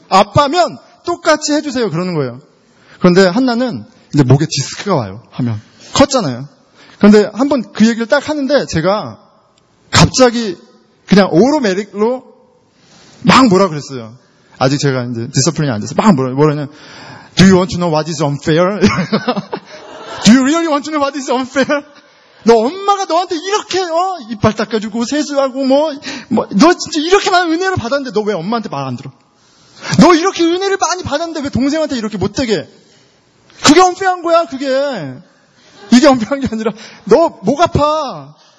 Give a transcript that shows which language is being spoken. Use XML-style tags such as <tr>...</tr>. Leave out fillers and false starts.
<ko>아빠면 똑같이 해주세요. 그러는 거예요. 그런데 한나는 이제 목에 디스크가 와요. 하면. 컸잖아요. 그런데 한번 그 얘기를 딱 하는데 제가 갑자기 그냥 오로메릭로 막 뭐라 그랬어요. 아직 제가 이제 디스플린이 안 돼서 막 뭐라냐.</ko> <en>Do you want to know what is unfair? Do you really want to know what is unfair?</en> <ko>너 엄마가 너한테 이렇게 이빨 닦아주고 세수하고 너 진짜 이렇게 많은 은혜를 받았는데 너 왜 엄마한테 말 안 들어? 너 이렇게 은혜를 많이 받았는데 왜 동생한테 이렇게 못되게? 그게 unfair한 거야 그게. 이게 unfair한 게 아니라 너 목 아파.</ko>